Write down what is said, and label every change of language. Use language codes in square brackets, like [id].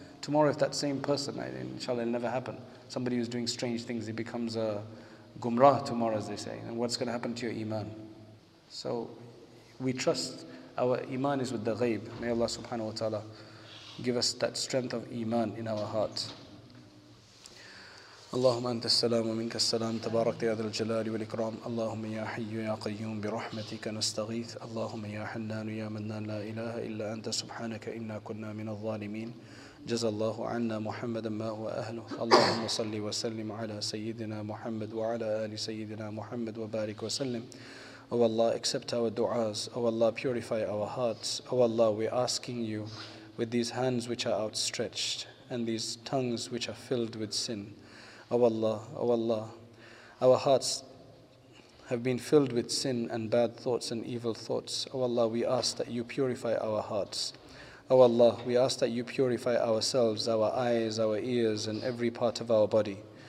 [en] Tomorrow, if that same person, inshallah, it'll never happen. Somebody who's doing strange things, he becomes a gumrah tomorrow, as they say. And what's going to happen to your iman? So we trust our iman is with the ghaib. May Allah subhanahu wa ta'ala give us that strength of iman in our heart. [ar] اللهم أنت السلام ومنك السلام تبارك يا ذا الجلال والإكرام اللهم يا حي يا قيوم برحمتك نستغيث اللهم يا حنان يا منان لا إله إلا أنت سبحانك إنا كنا من الظالمين جزى الله عنا محمدا ما هو أهله اللهم صل وسلم على سيدنا محمد وعلى آل سيدنا محمد وبارك وسلم [en] Oh Allah, accept our du'as. Oh Allah, purify our hearts. Oh Allah, we're asking you with these hands which are outstretched and these tongues which are filled with sin. Oh Allah, oh Allah, our hearts have been filled with sin and bad thoughts and evil thoughts. Oh Allah, we ask that you purify our hearts. Oh Allah, we ask that you purify ourselves, our eyes, our ears, and every part of our body.